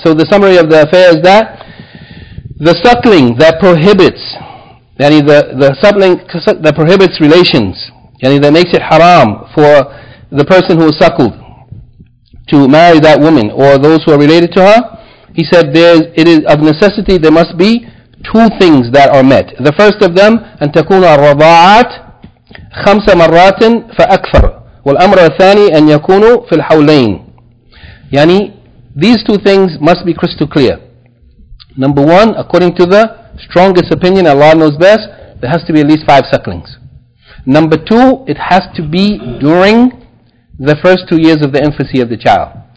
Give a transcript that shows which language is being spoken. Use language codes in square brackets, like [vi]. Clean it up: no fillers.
[en] So the summary of the affair is that the suckling that prohibits, yani, the suckling that prohibits relations, yani, that makes it haram for the person who is suckled to marry that woman or those who are related to her, he said, it is of necessity there must be two things that are met. The first of them, [ar] أن تكون الرضاعات خمس مرات فأكثر والأمر الثاني أن يكون في الحولين. [en] Yani, these two things must be crystal clear. Number one, according to the strongest opinion, Allah knows best, there has to be at least 5 sucklings. Number two, it has to be during the first 2 years of the infancy of the child.